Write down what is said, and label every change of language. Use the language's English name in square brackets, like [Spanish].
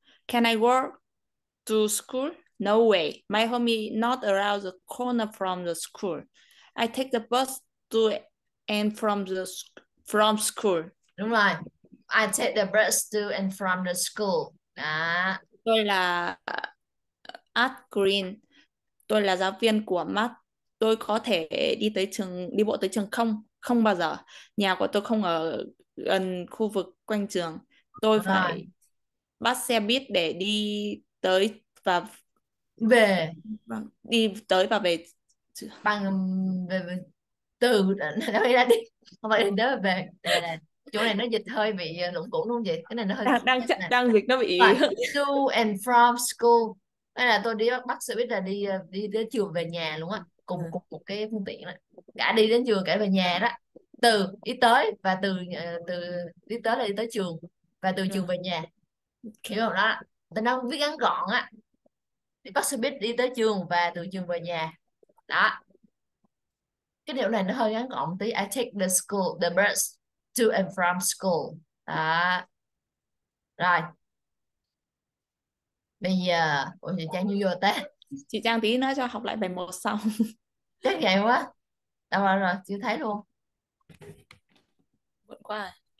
[English] Can I walk to school? No way. My home is not around the corner from the school. I take the bus to and from the from school. [Vietnamese] Đúng rồi. [English] I take the bus to and from the school. À. [Vietnamese] Tôi là Art Green. Tôi là giáo viên của Matt. Tôi có thể đi tới trường, đi bộ tới trường không? Không bao giờ. Nhà của tôi không ở gần khu vực quanh trường. Tôi phải bắt xe buýt để đi tới và về. Đi tới và về. Bằng về, về. Từ nó đi ra đi. Không phải đến đó về. Để là chỗ này nó dịch hơi bị lủng củng luôn vậy. Cái này nó hơi đang dịch nó bị [English] to and from school. [Vietnamese] Đây là tôi đi bắt xe buýt là đi đi đến trường về nhà luôn á, cùng cùng một cái phương tiện đó. Cả đi đến trường cả về nhà đó. Từ đi tới và từ từ đi tới là đi tới trường và từ trường về nhà. Hiểu không đó? Tôi đang viết ngắn gọn á. Đi bắt xe buýt đi tới trường và từ trường về nhà. Đó. Cái điều này nó hơi ngắn gọn tí. [English] I take the school, the bus to and from school. [Vietnamese] Đó. Rồi. Bây giờ, ôi chị Trang như vô ta. Chị Trang tí nữa cho học lại bài 1 xong. Chắc vậy quá. Đâu rồi, rồi chưa thấy luôn. Buồn quá.